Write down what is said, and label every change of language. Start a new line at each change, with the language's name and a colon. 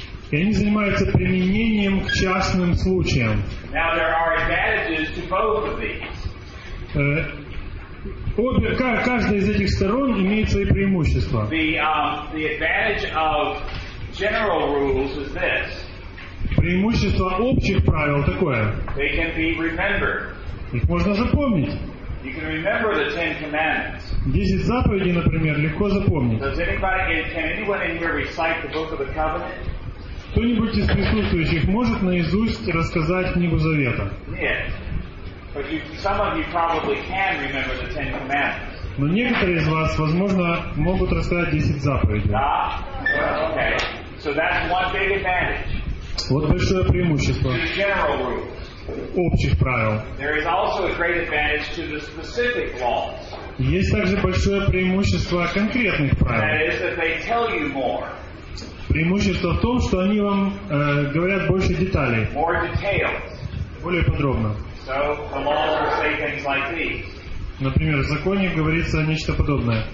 Russian: И они занимаются применением к частным случаям.
English: Now there are advantages to both of these.
Russian: Каждая из этих сторон имеет свои преимущества.
English: The advantage of general rules is this.
Russian: Преимущество общих правил такое.
English: They can be remembered.
Russian: Их можно запомнить.
English: You can remember the Ten Commandments.
Russian: 10 заповедей, например, легко запомнить.
English: Does anybody, can anyone in here recite the Book of the Covenant?
Russian: Кто-нибудь из присутствующих может наизусть рассказать Книгу Завета? Нет.
English: Some of you probably can remember the Ten Commandments.
Russian: Но некоторые из вас, возможно, могут рассказать 10 заповедей.
English: Да? Well, okay. So that's one big advantage.
Russian: Вот большое преимущество.
English: To the general rules.
Russian: Общих правил.
English: There is also a great advantage to the specific laws.
Russian: Есть также большое преимущество конкретных правил.
English: That is that they tell you more.
Russian: Преимущество в том, что они вам говорят больше деталей.
English: More details.
Russian: Более подробно.
English: So the laws will say things like these.
Russian: Например, в законе говорится нечто подобное.